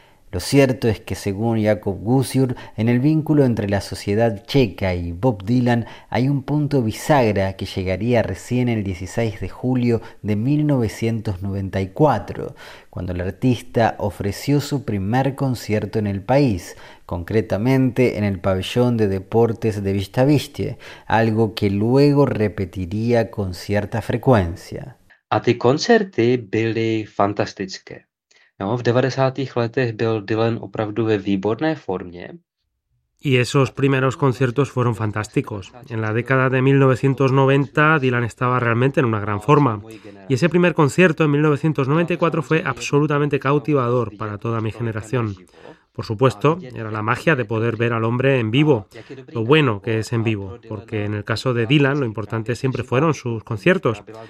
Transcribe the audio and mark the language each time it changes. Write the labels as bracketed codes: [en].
[es] Lo cierto es que, según Jakub Gusjur, en el vínculo entre la sociedad checa y Bob Dylan hay un punto bisagra que llegaría recién el 16 de julio de 1994, cuando el artista ofreció su primer concierto en el país, concretamente en el pabellón de deportes de Vistaviste, algo que luego repetiría con cierta frecuencia. [cs] A ti concerti byli fantastické. No, v 90. letech byl Dylan opravdu ve výborné formě. [es] Y esos primeros conciertos fueron fantásticos. En la década de 1990, Dylan estaba realmente en una gran forma. Y ese primer concierto en 1994 fue absolutamente cautivador para toda mi generación. Por supuesto, era la magia de poder ver al hombre en vivo, lo bueno que es en vivo, porque en el caso de Dylan lo importante siempre fueron sus conciertos.